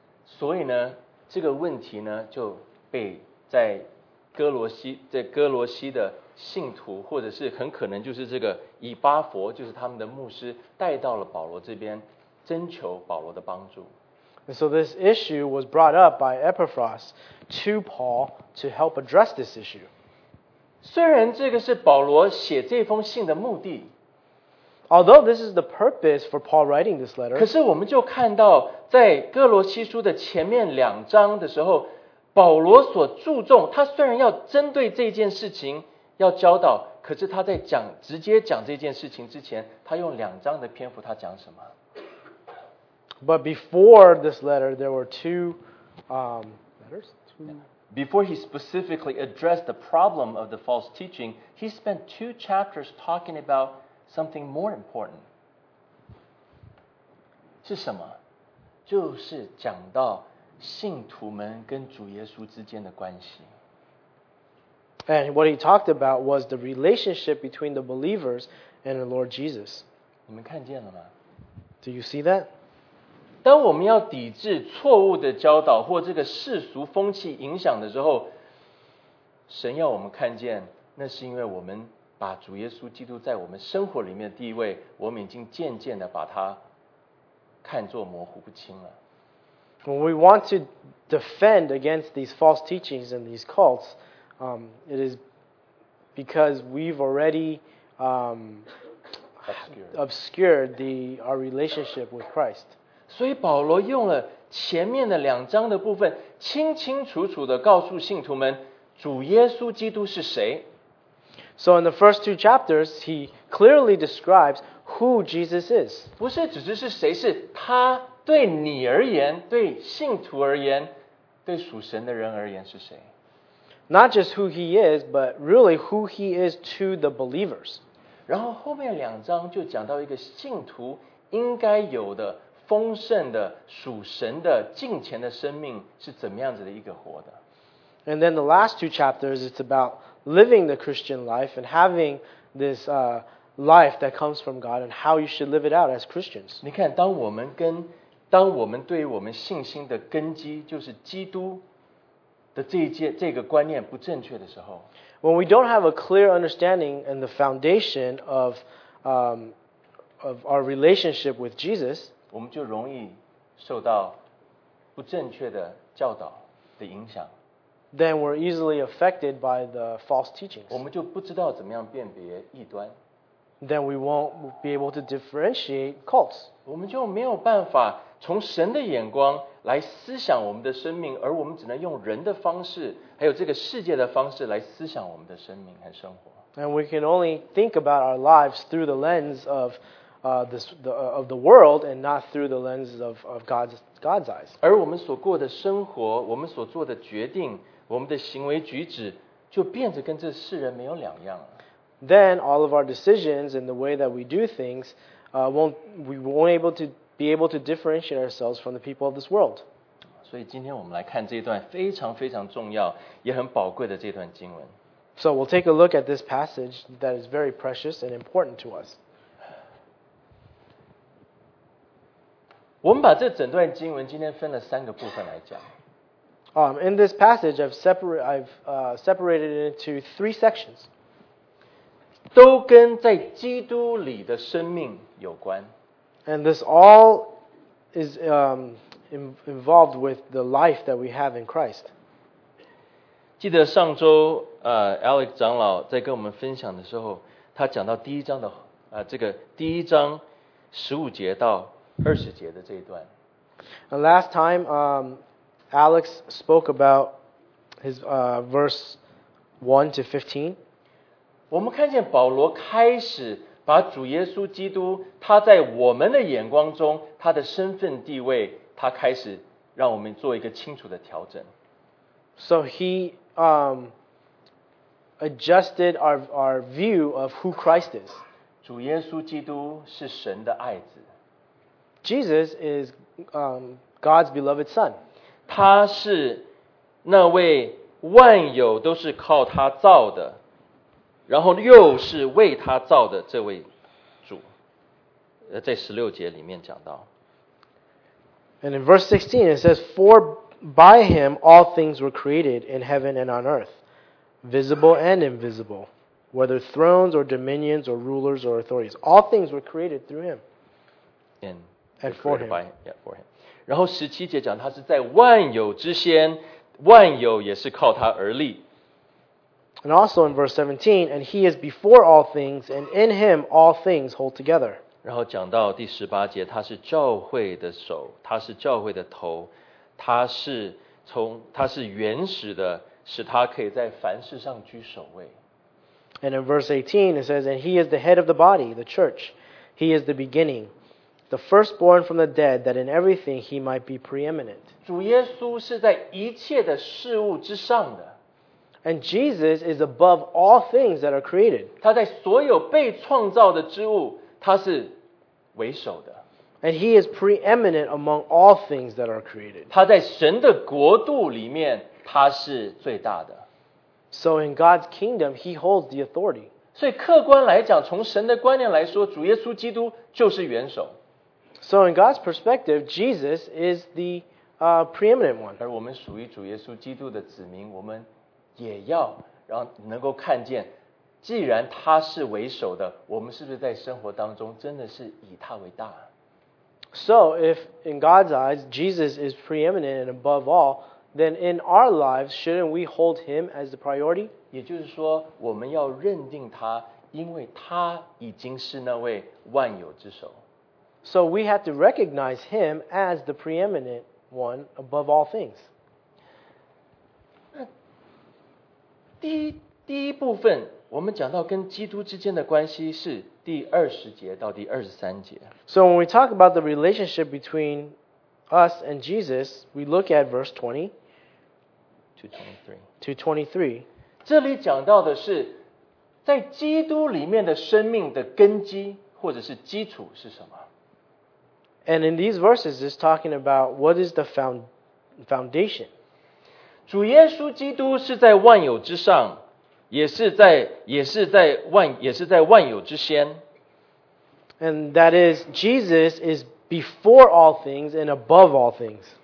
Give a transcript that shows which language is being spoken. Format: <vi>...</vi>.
<zh>所以呢，这个问题呢就被在哥罗西，在哥罗西的信徒，或者是很可能就是这个以巴佛，就是他们的牧师带到了保罗这边，征求保罗的帮助。</zh> <en>And so this issue was brought up by Epaphras to Paul to help address this issue.</en> <zh>虽然这个是保罗写这封信的目的，</zh> <en>although this is the purpose for Paul writing this letter,</en> <zh>可是我们就看到在哥罗西书的前面两章的时候，保罗所注重，他虽然要针对这件事情要教导，可是他在讲直接讲这件事情之前，他用两章的篇幅他讲什么？</zh> <en>But before this letter, there were two letters. Before he specifically addressed the problem of the false teaching, he spent two chapters talking about something more important.</en> <zh>是什么？就是讲到信徒们跟主耶稣之间的关系。</zh> <en>And what he talked about was the relationship between the believers and the Lord Jesus.</en> <zh>你们看见了吗？</zh> <en>Do you see that?</en> <zh>当我们要抵制错误的教导或这个世俗风气影响的时候，神要我们看见，那是因为我们把主耶稣基督在我们生活里面的地位，我们已经渐渐的把它看作模糊不清了。</zh> <en>When we want to defend against these false teachings and these cults, it is because we've already obscured our relationship with Christ.</en> <zh>所以保罗用了前面的两章的部分，清清楚楚的告诉信徒们，主耶稣基督是谁。</zh> <en>So in the first two chapters, he clearly describes who Jesus is.</en> <zh>不是只是谁，是他对你而言，对信徒而言，对属神的人而言是谁。</zh> <en>Not just who he is, but really who he is to the believers.</en> <zh>然后后面两章就讲到一个信徒应该有的丰盛的属神的敬虔的生命是怎么样子的一个活的。</zh> <en>And then the last two chapters, it's about living the Christian life and having this life that comes from God and how you should live it out as Christians.</en> <zh>你看，当我们对于我们信心的根基就是基督的这个观念不正确的时候，</zh> <en>When we don't have a clear understanding and the foundation of our relationship with Jesus,</en> <zh>我们就容易受到不正确的教导的影响。</zh> <en>Then we're easily affected by the false teachings.</en> <zh>我们就不知道怎么样辨别异端。</zh> <en>Then we won't be able to differentiate cults.</en> <zh>我们就没有办法从神的眼光来思想我们的生命，而我们只能用人的方式，还有这个世界的方式来思想我们的生命和生活。</zh> <en>And we can only think about our lives through the lens of of the world and not through the lens of God's eyes.</en> <zh>而我们所过的生活，我们所做的决定，我们的行为举止，就变得跟这世人没有两样了。</zh> <en>Then all of our decisions and the way that we do things, we won't be able to differentiate ourselves from the people of this world.</en> <zh>所以今天我们来看这段非常非常重要，也很宝贵的这段经文。</zh> <en>So we'll take a look at this passage that is very precious and important to us.</en> <zh>我们把这整段经文今天分了三个部分来讲。</zh> <en>In this passage, I've separated it into three sections.</en> <zh>都跟在基督里的生命有关。</zh> <en>And this all is involved with the life that we have in Christ.</en> <zh>记得上周Alex 长老在跟我们分享的时候，他讲到第一章的这个第一章十五节到二十节的这一段。</zh> <en>And last time, Alex spoke about his verse 1-15.</en> <zh>我们看见保罗开始把主耶稣基督他在我们的眼光中他的身份地位，他开始让我们做一个清楚的调整。</zh> <en>So he adjusted our view of who Christ is.</en> <zh>主耶稣基督是神的爱子。</zh> <en>Jesus is God's beloved son.</en> <zh>他是那位万有都是靠他造的，然后又是为他造的这位主。在十六节里面讲到。</zh> <en>And in verse 16 it says, For by him all things were created in heaven and on earth, visible and invisible, whether thrones or dominions or rulers or authorities. All things were created through him. And for him. For him.</en> <zh>然后十七节讲他是在万有之先，万有也是靠他而立。</zh> <en>And also in verse 17, And he is before all things, and in him all things hold together.</en> <zh>然后讲到第十八节，他是教会的首，他是教会的头，他是原始的，使他可以在凡事上居首位。</zh> <en>And in verse 18, it says, And he is the head of the body, the church. He is the beginning. The firstborn from the dead, that in everything he might be preeminent.</en> <zh>主耶稣是在一切的事物之上的。</zh> <en>And Jesus is above all things that are created.</en> <zh>他在所有被创造的之物，他是为首的。</zh> <en>And he is preeminent among all things that are created.</en> <zh>他在神的国度里面，他是最大的。</zh> <en>So in God's kingdom, he holds the authority.</en> <zh>所以客观来讲，从神的观念来说，主耶稣基督就是元首。</zh> <en>So in God's perspective, Jesus is the preeminent one.</en> <zh>而我们属于主耶稣基督的子民，我们也要让能够看见，既然他是为首的，我们是不是在生活当中真的是以他为大？</zh> <en>So if in God's eyes, Jesus is preeminent and above all, then in our lives, shouldn't we hold him as the priority?</en> <zh>也就是说，我们要认定他，因为他已经是那位万有之首。</zh> <en>So we have to recognize him as the preeminent one above all things.</en> <zh>第一部分，我们讲到跟基督之间的关系是第二十节到第二十三节。</zh> <en>So when we talk about the relationship between us and Jesus, we look at verse 20 to 23.</en> <zh>这里讲到的是在基督里面的生命的根基或者是基础是什么？</zh> <en>And in these verses, it's talking about what is the foundation.</en> <zh>主耶稣基督是在万有之上，也是在万有之先。</zh> <en>And that is, Jesus is before all things and above all things.</en>